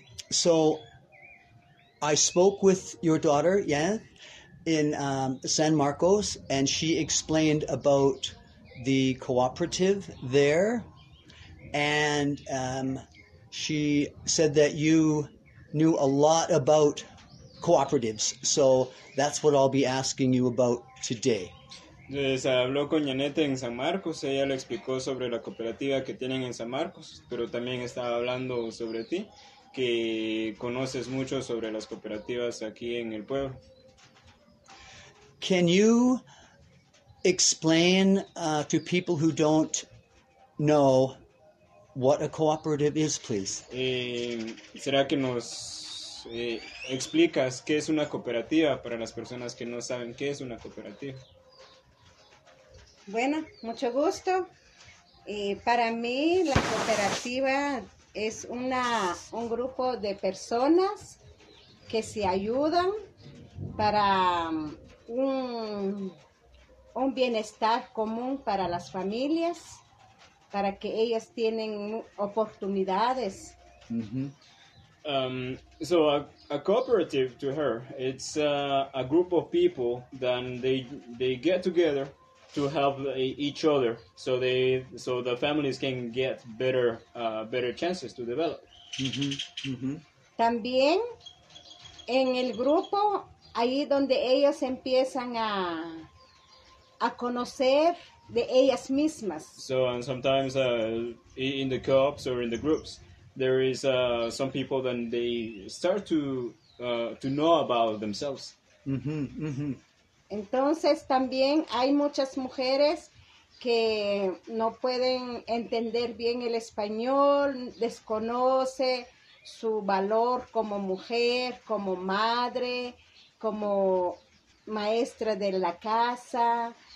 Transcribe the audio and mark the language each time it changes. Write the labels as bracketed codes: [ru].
[en] So I spoke with your daughter, Yan, in San Marcos, and she explained about the cooperative there, and she said that you knew a lot about cooperatives, so that's what I'll be asking you about today. [es] Entonces habló con Yanete en San Marcos, ella le explicó sobre la cooperativa que tienen en San Marcos, pero también estaba hablando sobre ti, que conoces mucho sobre las cooperativas aquí en el pueblo. [en] Can you explain to people who don't know what a cooperative is, please? [es] ¿Será que nos explicas qué es una cooperativa para las personas que no saben qué es una cooperativa? Bueno, mucho gusto. Para mí, la cooperativa es un grupo de personas que se ayudan para un bienestar común para las familias, para que ellas tienen oportunidades. Mm-hmm. [en] So a cooperative to her, it's a group of people that they get together to help each other, so the families can get better chances to develop. Mm-hmm. Mm-hmm. [es] También en el grupo ahí donde ellas empiezan a conocer de ellas mismas. [en] So and sometimes in the co-ops or in the groups, there is some people then they start to know about themselves. Mm-hmm. Mm-hmm. [es] Entonces también hay muchas mujeres que no pueden entender bien el español, desconoce su valor como mujer, como madre, como maestra de la casa.